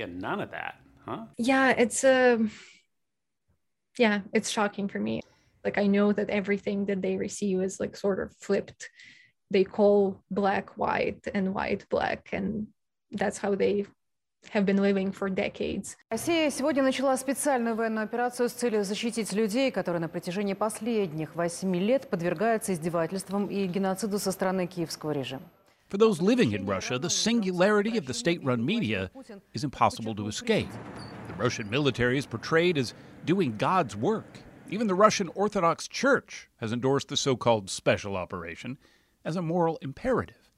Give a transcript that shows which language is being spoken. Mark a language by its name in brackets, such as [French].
[English] And none of that, huh? Yeah, it's a... Yeah, it's shocking for me. Like, I know that everything that they receive is, like, sort of flipped. They call black white and white black, and that's how they have been living for decades. [Russian] Россия сегодня начала специальную военную операцию с целью защитить людей, которые на протяжении последних 8 лет подвергаются издевательствам и геноциду со стороны киевского режима. [English] For those living in Russia, the singularity of the state-run media is impossible to escape. The Russian military is portrayed as doing God's work. Even the Russian Orthodox Church has endorsed the so-called special operation as a moral imperative.